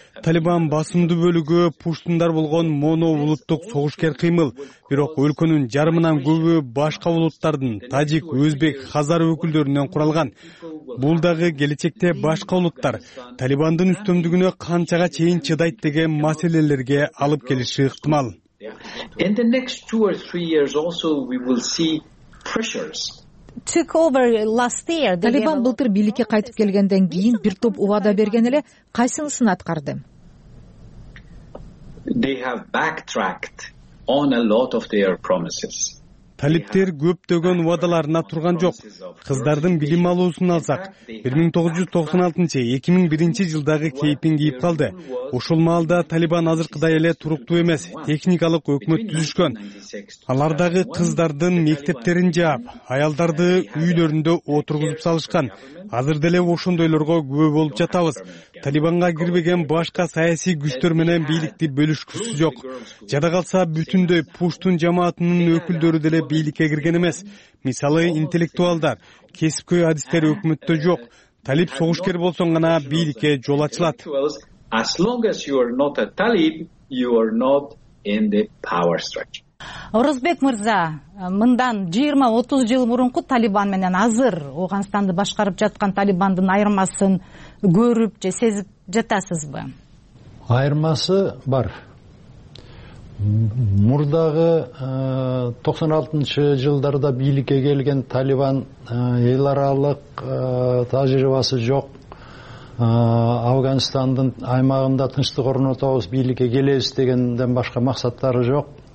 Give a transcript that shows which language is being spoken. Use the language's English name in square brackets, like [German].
[Kyrgyz] Талибан басымдуу бөлүгү пуштундар болгон моноулуттук согушкер кыймыл, бирок өлкөнүн жарымынан көбү башка улуттардын тажик, өзбек, хазар өкүлдөрүнөн куралган. Бул дагы келечекте башка улуттар Талибандын үстөмдүгүнө канчага чейин чыдайт деген маселелерге алып келиши ыктымал. [English] In the next 2 or 3 years also we will see pressures. Took over last year. [Kyrgyz] Талибан былтыр бийликке кайтып келгенден кийин бир топ убада берген эле кайсынысын аткарды? [English] They have backtracked on a lot of their promises. [Kyrgyz] Талиптер көптөгөн убадаларына турган жок. Кыздардын билим алуусун алсак, 1996-2001 жылдагы кейпин кийип калды. Ушул маалда Талибан азыркыдай эле туруктуу эмес, техникалык өкмөт түзүшкөн. Алардагы кыздардын мектептерин жаап, аялдарды үйлөрүндө отургузуп салышкан. Азыр деле ошондойлорго күбө болуп жатабыз. Талибанга кирбеген башка саясий күчтөр менен бийликти бөлүшкүсү жок. Жада калса, бүтүндөй пуштун жамаатынын өкүлдөрү деле бийликке кирген эмес. Мисалы, интеллектуалдар, кесипкөй адистер өкмөттө жок. Талиб согушкер болсоң гана бийликке жол ачылат. [English] As long as you are not a talib, you are not in the power structure. [Kyrgyz] Орозбек мырза, мындан 20-30 жыл мурунку Талибан менен азыр Ооганстанды башкарып жаткан Талибандын айырмасын көрүп же сезип жатасызбы? Айырмасы бар. Мурдагы 96-чы жылдарда бийликке келген Талибан эл аралык тажрыйбасы жок Афганистандын аймагында тынчтык орнотобуз, бийликке келебиз дегенден башка максаттары жок